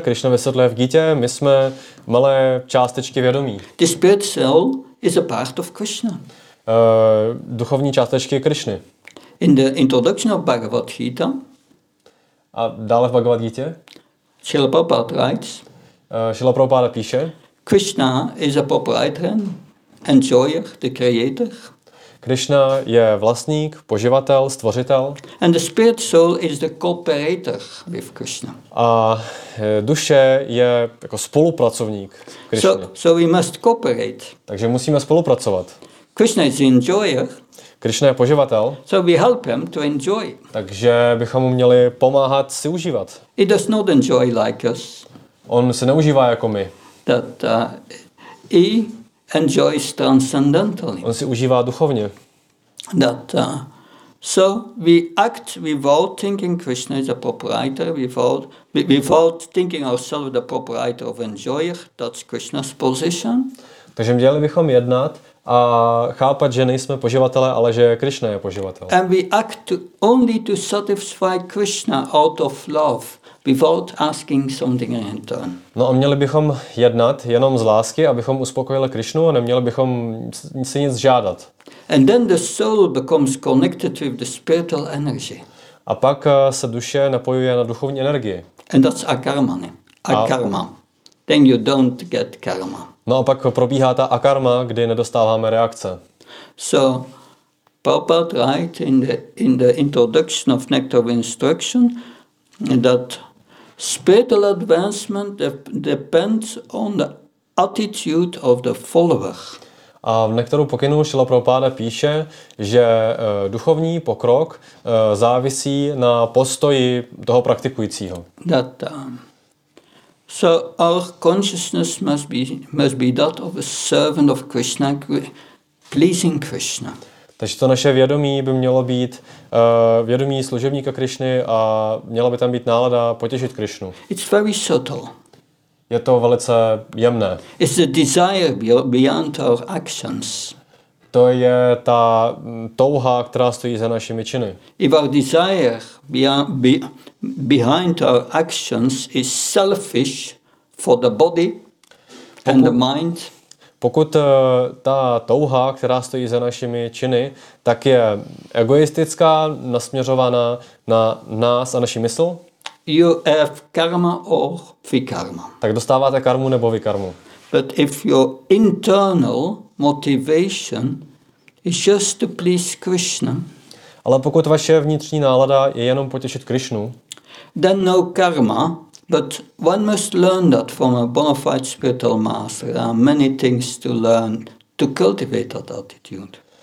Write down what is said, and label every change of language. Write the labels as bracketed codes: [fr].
[cs] Krishna vysvětluje v Gítě. My jsme malé částečky vědomí. [en] The spirit cell is a part of Krishna. [cs] Duchovní částečky Krishny. [en] In the introduction of Bhagavad Gita. [cs] A dále v Bhagavad Gítě? [en] Srila Prabhupada writes. [cs] Srila Prabhupada píše. [en] Krishna is a proprietor, enjoyer, the creator. [cs] Krishna je vlastník, poživatel, stvořitel. [en] And the spirit soul is the cooperator with Krishna. [cs] A duše je jako spolupracovník Krishna. [en] So we must cooperate. [cs] Takže musíme spolupracovat. [en] Krishna is enjoyer. [cs] Krishna je poživatel. [en] So we help him to enjoy. [cs] Takže bychom mu měli pomáhat si užívat. [en] He does not enjoy like us. [cs] On se neužívá jako my. [en] That he enjoys transcendentally. [cs] On si užívá duchovně. [en] That so we act without thinking Krishna is a proprietor, without thinking ourselves the proprietor of enjoyer, that's Krishna's position. [cs] Takže měli bychom jednat a chápat, že nejsme poživatelé, ale že Krishna je poživatel. [en] And we act only to satisfy Krishna out of love. Without asking something in return. [cs] No a měli bychom jednat jenom z lásky, abychom uspokojili Krishnu a neměli bychom si nic žádat. [en] And then the soul becomes connected with the spiritual energy. [cs] A pak se duše napojuje na duchovní energii. [en] And that's akarmani. Akarma. Then you don't get karma. [cs] No a pak probíhá ta akarma, kdy nedostáváme reakce. [en] So Prabhupada write in the introduction of Nectar of Instruction that spiritual advancement depends on the attitude of the follower. [cs] A v některou pokynu Srila Prabhupada píše, že duchovní pokrok závisí na postoji toho praktikujícího. [en] That, so our consciousness must be that of a servant of Krishna, pleasing Krishna. [cs] Takže to naše vědomí by mělo být vědomí služebníka Krišny a měla by tam být nálada potěšit Krišnu. [en] It's very subtle. [cs] Je to velice jemné. [en] It's the desire beyond our actions. [cs] To je ta touha, která stojí za našimi činy. [en] If our desire behind our actions is selfish for the body and the mind. [cs] Pokud ta touha, která stojí za našimi činy, tak je egoistická, nasměřovaná na nás a naši mysl. [en] You have karma or vikarma. [cs] Tak dostáváte karmu nebo vikarmu. [en] But if your internal motivation is just to please Krishna. [cs] Ale pokud vaše vnitřní nálada je jenom potěšit Krishnu. [en] Then no karma. But one must learn that from a bona fide spiritual master. There are many things to learn to cultivate that attitude.